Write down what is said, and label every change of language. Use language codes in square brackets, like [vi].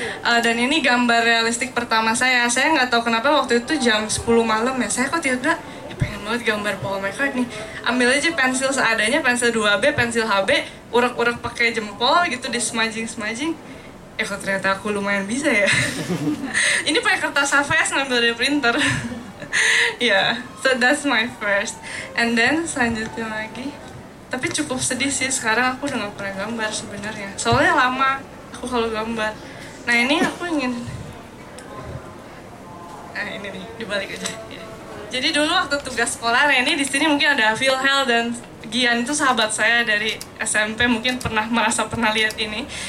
[id] Dan ini gambar realistik pertama saya. Saya nggak tahu kenapa waktu itu jam 10 malam ya, saya kok tiba-tiba pengen banget gambar Paul McCartney. Ambil aja pensil seadanya, pensil 2B, pensil HB, urek-urek pakai jempol gitu, dismajing-smajing. Eh kok ternyata aku lumayan bisa ya. Ini pakai kertas HVS ngambil dari printer. [en] Ya, yeah, so that's my first. And then [id] selanjutnya lagi. Tapi cukup sedih sih, sekarang aku udah gak pernah gambar sebenarnya. Soalnya lama, aku kalau gambar. Nah ini aku ingin, nah ini nih dibalik aja. Jadi dulu waktu tugas sekolah, nah ini di sini mungkin ada Philhel dan Gian itu sahabat saya dari SMP, mungkin pernah merasa pernah lihat ini.